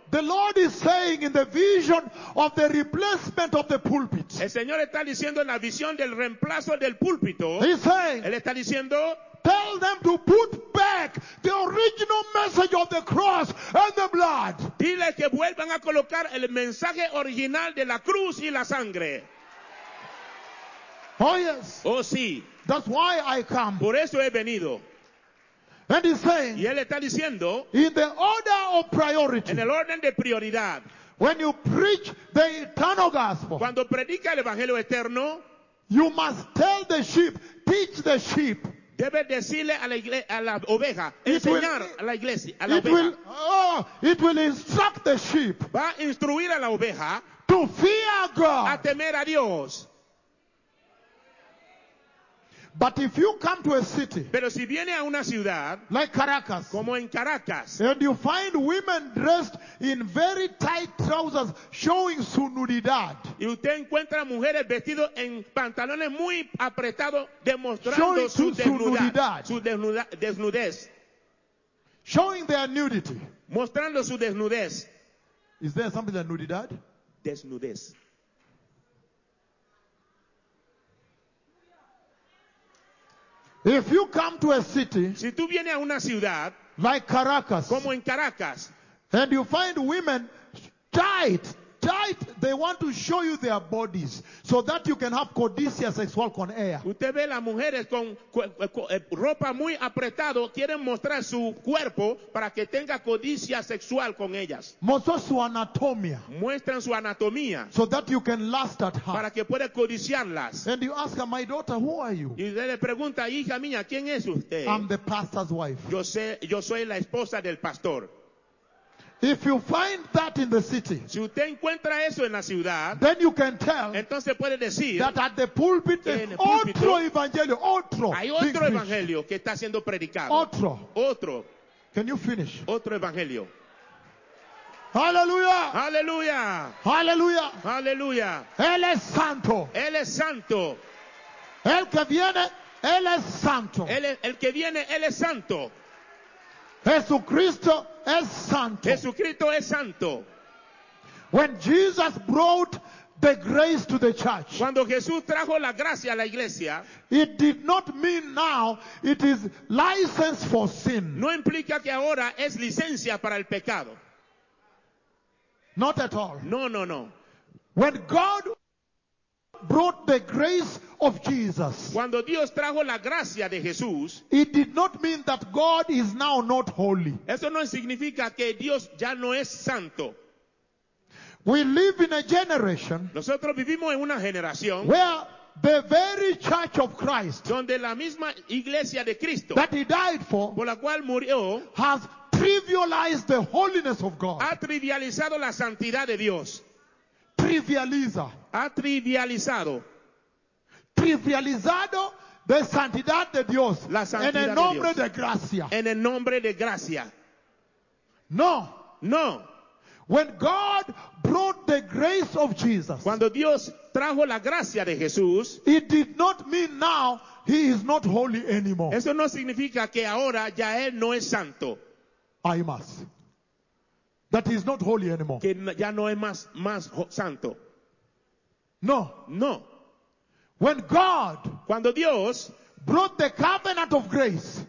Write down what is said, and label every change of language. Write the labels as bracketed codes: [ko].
[en] The Lord is saying in the vision of the replacement of the pulpit. [es] El Señor está diciendo en la visión del reemplazo del púlpito. [en] He's saying, [es] él está diciendo, [en] tell them to put back the original message of the cross and the blood. [es] Dile que vuelvan a colocar el mensaje original de la cruz y la sangre. [en] Oh yes. [es] Oh sí. [en] That's why I come. [es] Por eso he venido. [en] And he's saying, [es] y él está diciendo, [en] in the order of priority, [es] en el orden de prioridad, [en] when you preach the eternal gospel, [es] cuando predica el evangelio eterno, [en] you must tell the sheep, teach the sheep, [es] debe decirle a la iglesia, a la oveja, enseñar a la iglesia, a la [en] oveja, it will instruct the sheep, [es] va a instruir a la oveja, [en] to fear God, [es] a temer a Dios. [en] But if you come to a city, [es] pero si viene a una ciudad, [en] like Caracas, [es] como en Caracas, [en] and you find women dressed in very tight trousers showing [es] su nudidad, y usted encuentra mujeres vestidas en pantalones muy apretados demostrando su desnudez, [en] showing their nudity, [es] mostrando su desnudez. [en] Is there something like nudidad? [es] Desnudez. [en] If you come to a city, [es] si tú vienes a una ciudad, [en] like Caracas, [es] como en Caracas, [en] and you find women tight, they want to show you their bodies so that you can have [es] codicia sexual con ella. Usted ve las mujeres con ropa muy apretado, quieren mostrar su cuerpo para que tenga codicia sexual con ellas. Mostrar su anatomía. Muestran su anatomía. [en] So that you can lust at her. [es] Para que pueda codiciarlas. [en] And you ask her, my daughter, who are you? [es] Y usted le pregunta, hija mía, ¿quién es usted? [en] I'm the pastor's wife. [es] Yo soy la esposa del pastor. [en] If you find that in the city, [es] si usted encuentra eso en la ciudad, [en] then you can tell, [es] entonces puede decir, [en] that at the pulpit there is [es] otro evangelio, otro. Hay otro evangelio que está siendo predicado. Otro. Otro. [en] Can you finish? [es] Otro evangelio. Hallelujah. Hallelujah. Hallelujah. Hallelujah. Él es santo. Él es santo. El que viene, él es santo. El que viene, él es santo. Jesucristo es santo. Jesucristo es santo. [en] When Jesus brought the grace to the church, [es] cuando Jesús trajo la gracia a la iglesia, [en] it did not mean now it is license for sin. [es] No implica que ahora es licencia para el pecado. [en] Not at all. [es] No. [en] When God brought the grace of Jesus, [es] cuando Dios trajo la gracia de Jesús, [en] it did not mean that God is now not holy. [es] Eso no significa que Dios ya no es santo. [en] We live in a generation, [es] nosotros vivimos en una generación, [en] where the very church of Christ, [es] donde la misma iglesia de Cristo, [en] that he died for, [es] por la cual murió, [en] has trivialized the holiness of God. [es] Ha trivializado la santidad de Dios. Trivializa. Ha trivializado. trivializado de santidad de Dios, la santidad en el nombre de, Dios, de gracia. En el nombre de gracia. No. No. [en] When God brought the grace of Jesus, [es] cuando Dios trajo la gracia de Jesús, [en] it did not mean now he is not holy anymore. [es] Eso no significa que ahora ya él no es santo. [en] I must. That he is not holy anymore. [es] Que ya no es más santo. [en] No. [es] No. [en] When God, [es] cuando Dios [en] brought the covenant of grace,